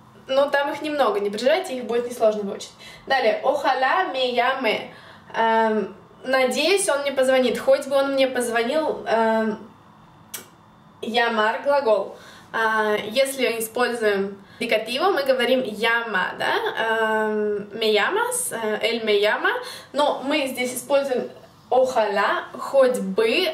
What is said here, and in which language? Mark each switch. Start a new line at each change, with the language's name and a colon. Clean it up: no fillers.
Russian: Но там их немного, не переживайте, их будет несложно выучить. Далее,
Spanish: ojalá me llame.
Russian: Надеюсь, он мне позвонит. Хоть бы он мне позвонил. Llamar глагол. Если используем индикативо, мы говорим llama, да?
Spanish: Me llamas, él me llama.
Russian: Но мы здесь используем ojalá, хоть бы.